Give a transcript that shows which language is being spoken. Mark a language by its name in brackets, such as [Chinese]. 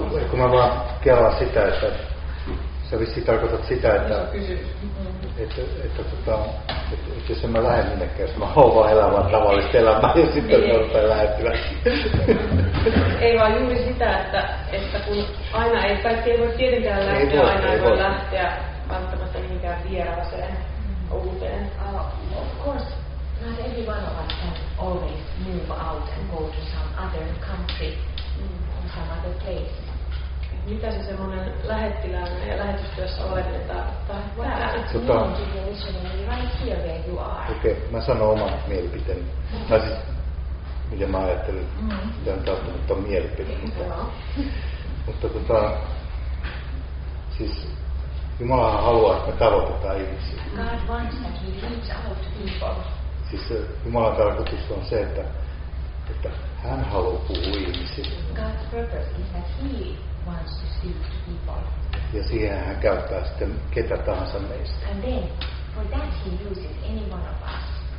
[Finnish] Kun mä vaan kelaan sitä, että sä vissiin tarkoitat sitä, että että jos en mä lähde minnekään, jos mä oon vaan elämään tavallista elämää ja sitten niin. Tarvitsen lähettyä. Ei vaan juuri sitä, että kun aina ei, kaikki ei voi tietenkään lähteä, ei voi lähteä välttämättä mihinkään vieraaseen uuteen. [English] Of course, not every one of us can always move out and go to some other country, some other place. [Finnish] Mitä se semmoinen lähettilään ja lähetystyössä oleminen tarkoittaa? Okei, mä sanon oman mielipiteeni. Mä siis, miten mä ajattelin, mitä on tarkoittanut on mielipide. Mutta siis Jumalahan haluaa, että me tavoitetaan ihmisiä. [English] God wants that we reach out people. [Finnish] Siis Jumalan tarkoitus on se, että hän haluaa puhua ihmisille. [English] God's purpose is that he wants to speak to people. [Finnish] Ja siihen hän käyttää sitten ketä tahansa meistä. [English] And then, for that he uses any one of us.